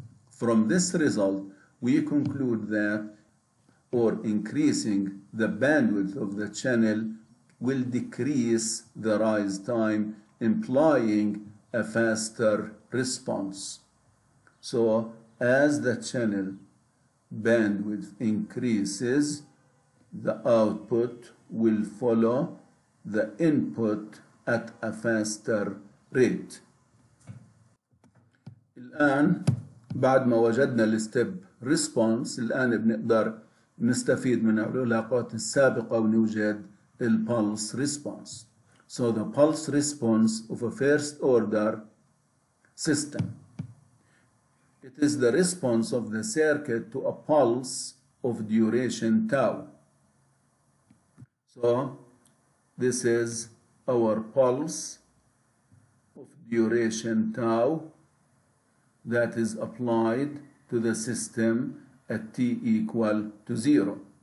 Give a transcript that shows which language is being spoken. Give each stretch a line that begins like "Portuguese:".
English: From this result, we conclude that or increasing the bandwidth of the channel will decrease the rise time, implying a faster response. So as the channel bandwidth increases, the output will follow the input at a faster rate.
Arabic: الآن بعد ما وجدنا الستيب ريسبونس، الآن بنقدر نستفيد من العلاقات السابقة ونوجد البلس ريسبونس.
English: So the pulse response of a first order system. It is the response of the circuit to a pulse of duration tau. So this is our pulse of duration tau that is applied to the system at t equal to zero.